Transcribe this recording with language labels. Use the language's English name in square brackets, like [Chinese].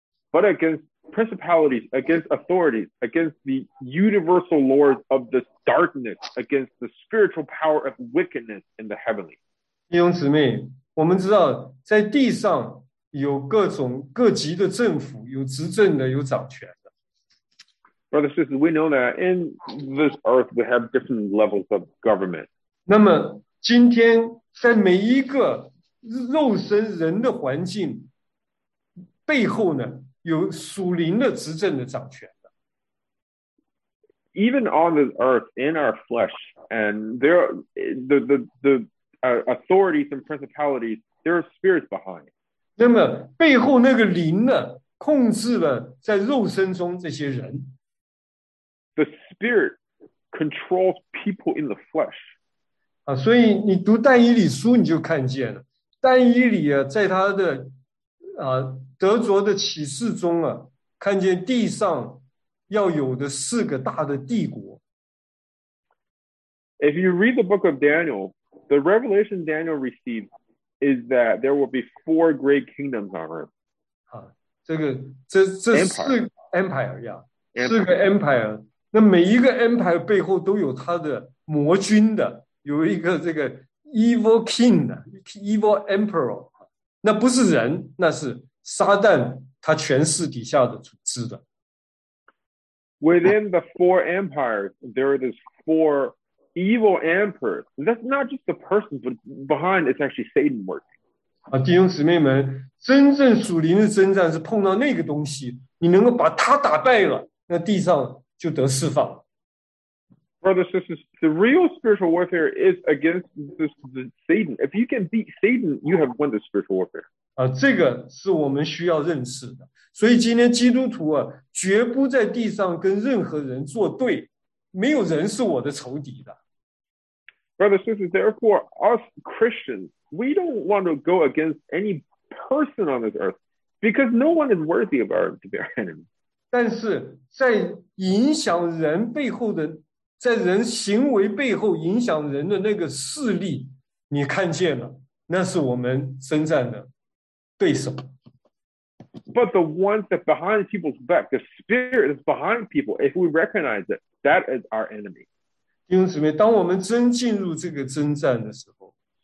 [English] But against principalities, against authorities, against the universal lords of this darkness, against the spiritual power of wickedness in the heavenly. [Chinese] 弟兄姊妹，我们知道在地上有各种各级的政府，有执政的，有掌权的。 [English] Brothers and sisters, we know that in this earth we have different levels of government. [Chinese] 那么今天在每一个肉身人的环境背后呢，有属灵的执政的掌权的。 [English] Even on this earth, in our flesh, and there are the authorities and principalities, there are spirits behind. [Chinese] 那么背后那个灵呢，控制了在肉身中这些人。 [English] The spirit controls people in the flesh. [Chinese] 啊，所以你读但以理书，你就看见了但以理啊，在他的啊。得着的启示中啊，看见地上要有的四个大的帝国。 [English] If you read the book of Daniel, the revelation Daniel received is that there will be four great kingdoms on earth. [Chinese] 啊，这四个 empire 呀、yeah, ，四个 empire， 那每一个 empire 背后都有他的魔君的，有一个这个 [English] evil king [Chinese] 的 [English] evil emperor， [Chinese] 那不是人，那是。撒旦他权势底下的组织的。 [English] Within the four empires, there are these four evil emperors. That's not just the person, but behind it's actually Satan working. [Chinese] 啊，弟兄姊妹们，真正属灵的征战是碰到那个东西，你能够把他打败了，那地上就得释放了。 [English] Brothers, sisters, the real spiritual warfare is against Satan. If you can beat Satan, you have won the spiritual warfare. [Chinese] 啊，这个是我们需要认识的。所以今天基督徒啊，绝不在地上跟任何人作对，没有人是我的仇敌的。 [English] Brothers, sisters, therefore, us Christians, we don't want to go against any person on this earth, because no one is worthy of our to be our enemy. [Chinese] 但是在影响人背后的。在人行为背后影响人的那个势力，你看见了，那是我们征战的对手。 [English] But the ones that behind people's back, the spirit is behind people. If we recognize it, that is our enemy. [Chinese] 弟兄姊妹，当我们真进入这个征战的时候